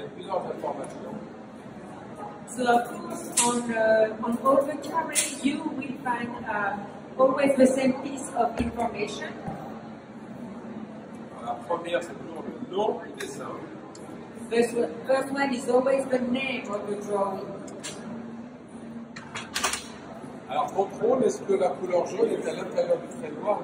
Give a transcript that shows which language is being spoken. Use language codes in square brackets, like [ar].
[en] So of course, on all the cameras, you will find always the same piece of information. [fr] La première, c'est toujours le nom du dessin. [en] First one is always the name of the drawing. [fr] Alors, contrôle, est-ce que la couleur jaune est à l'intérieur du trait noir?